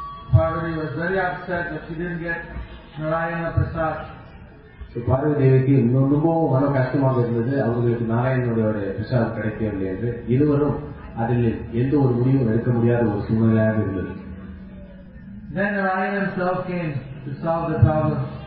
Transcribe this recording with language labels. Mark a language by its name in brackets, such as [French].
[English] Parvati was very upset that she didn't get Narayana Prasad. [Tamil] Parvati தேவிக்கு இன்னொன்றுமோ மன கஷ்டமாக இருந்தது, அவங்களுக்கு நாராயணனுடைய பிரசாதம் கிடைக்கவில்லை என்று. இருவரும் அதில் எந்த ஒரு முடிவும் எடுக்க முடியாத ஒரு சூழ்நிலையாக இருந்தது. [English] Then Narayan himself came to solve the problem.